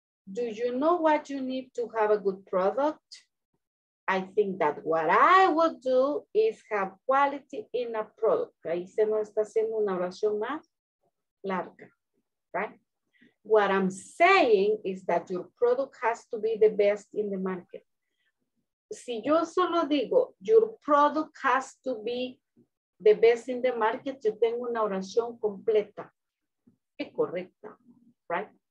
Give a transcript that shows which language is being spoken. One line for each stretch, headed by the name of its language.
English: Do you know what you need to have a good product? I think that what I would do is have quality in a product.
Spanish: Ahí se nos está haciendo una oración más larga, right?
English: What I'm saying is that your product has to be the best in the market.
Spanish: Si yo solo digo,
English: your product has to be the best in the market,
Spanish: yo tengo una oración completa. Es correcta, right?